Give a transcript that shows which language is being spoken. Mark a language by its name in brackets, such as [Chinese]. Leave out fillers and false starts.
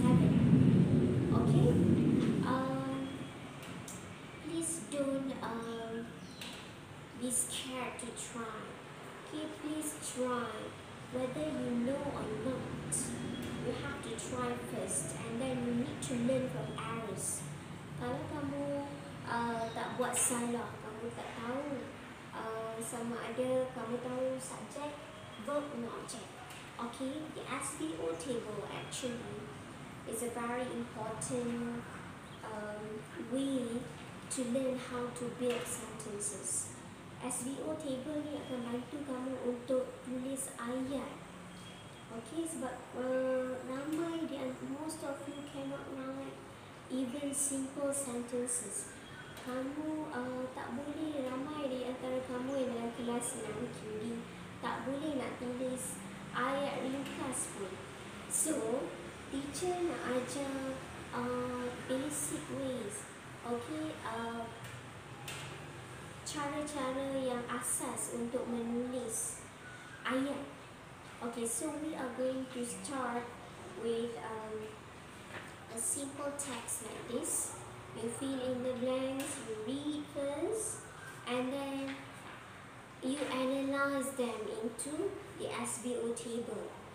[English] Okay? Please don't be scared to try. Okay, please try. Whether you know or not, you have to try first, and then you need to learn from errors. [Malay] Kalau kamu tak buat salah, kamu tak tahu sama ada kamu tahu [English] subject, verb or object. Okay, the SVO table actually is a very important way to learn how to build sentences. [Malay] SVO table ni akan bantu kamu untuk tulis ayat. Okay, sebab ramai dia, [English] most of you cannot write even simple sentences. [Malay] Kamu tak boleh, ramai di antara kamu yang dalam kelas 6QD tak boleh nak tulis ayat ringkas pun. [English] So, teacher [Malay] nak ajar [English] basic ways. [Malay] Okay, cara-cara yang asas untuk menulis ayat. [English] Okay, so we are going to start with a simple text like this. You fill in the blanks, you read first, and then you analyze them into the SVO table.